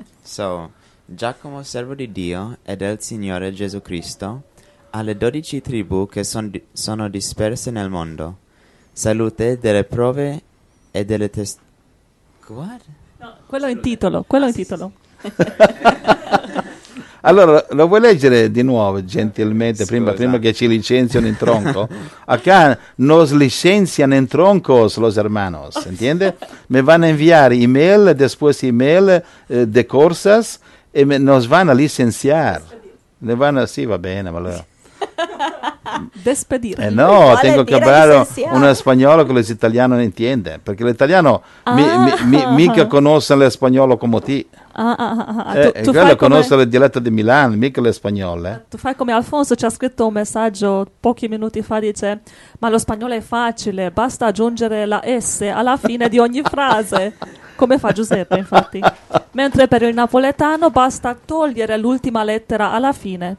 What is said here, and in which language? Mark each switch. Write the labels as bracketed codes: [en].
[it] So, Giacomo, servo di Dio e del Signore Gesù Cristo, alle 12 tribù che sono disperse nel mondo, salute delle prove e delle [en] What? [it] No, quello in titolo, quello in titolo. Allora, lo vuoi leggere di nuovo, gentilmente, prima che ci licenziano in tronco? [es] Acá nos licencian en troncos los hermanos, ¿entiende? Me van a enviar email, después email de cursos, y nos van a licenciar. Me van a, sí, va bien, [it] allora. [es] Despedir. No, vale, tengo que hablar un español que los italianos no entienden, porque el italiano mica conoce el español como ti. [it] Tu quello conosce il dialetto di Milano, mica lo spagnolo. Tu fai come Alfonso, ci ha scritto un messaggio pochi minuti fa, dice: ma lo spagnolo è facile, basta aggiungere la S alla fine di ogni frase, come fa Giuseppe, infatti. Mentre per il napoletano basta togliere l'ultima lettera alla fine.